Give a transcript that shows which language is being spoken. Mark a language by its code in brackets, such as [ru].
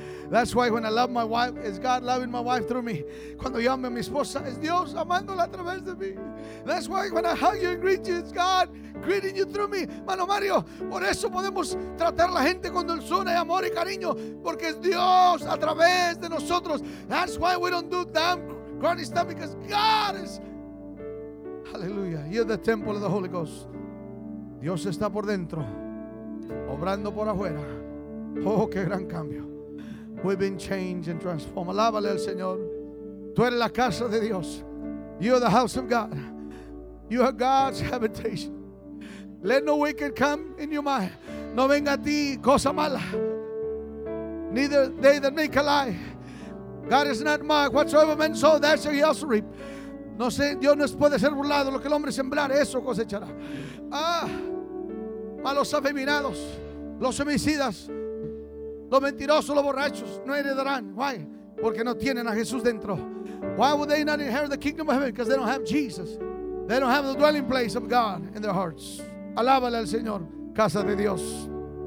[en] That's why when I love my wife, it's God loving my wife through me. [es] Cuando yo amo a mi esposa, es Dios amándola a través de mí. [en] That's why when I hug you and greet you, it's God greeting you through me. [es] Mano Mario, por eso podemos tratar a la gente con dulzura y amor y cariño, porque es Dios a través de nosotros. [en] That's why we don't do damn granny stuff, because God is. Hallelujah. You're the temple of the Holy Ghost. [es] Dios está por dentro, obrando por afuera. Oh, qué gran cambio. [en] We've been changed and transformed. [es] Alábale al Señor. Tú eres la casa de Dios. [en] You are the house of God. You are God's habitation. Let no wicked come in your mind. [es] No venga a ti cosa mala. [en] Neither they that make a lie. God is not mocked. Whatsoever man sow, that shall he also reap. [es] No sé, Dios no puede ser burlado. Lo que el hombre sembrar, eso cosechará. Ah, malos afeminados, los homicidas, los mentirosos, los borrachos no heredarán. [en] Why? [es] Porque no tienen a Jesús dentro. [en] Why would they not inherit the kingdom of heaven? Because they don't have Jesus. They don't have the dwelling place of God in their hearts. [es] Alábale al Señor, casa de Dios.